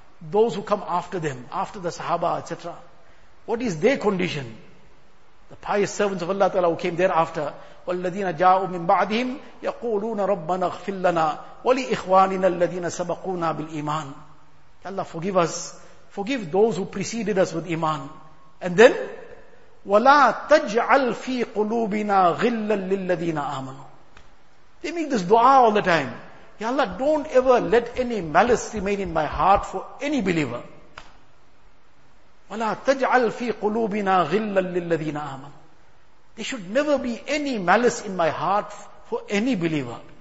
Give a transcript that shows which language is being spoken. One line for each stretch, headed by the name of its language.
English: Those who come after them, after the Sahaba, etc. What is their condition? The pious servants of Allah Ta'ala who came thereafter.
Arabic: وَالَّذِينَ جَاءُوا مِنْ بَعْدِهِمْ يَقُولُونَ رَبَّنَا اغْفِرْ لَنَا وَلِإِخْوَانِنَا الَّذِينَ سَبَقُونَا بِالْإِيمَانِ.
English: Allah forgive us. Forgive those who preceded us with iman. And then,
Arabic: وَلَا تَجْعَلْ فِي قُلُوبِنَا غِلًّا لِلَّذِينَ آمَنُوا.
English: They make this dua all the time. Ya Allah, don't ever let any malice remain in my heart for any believer.
Arabic: وَلَا تَجْعَلْ فِي قُلُوبِنَا غِلًّا لِلَّذِينَ آمَنُوا.
English: There should never be any malice in my heart for any believer.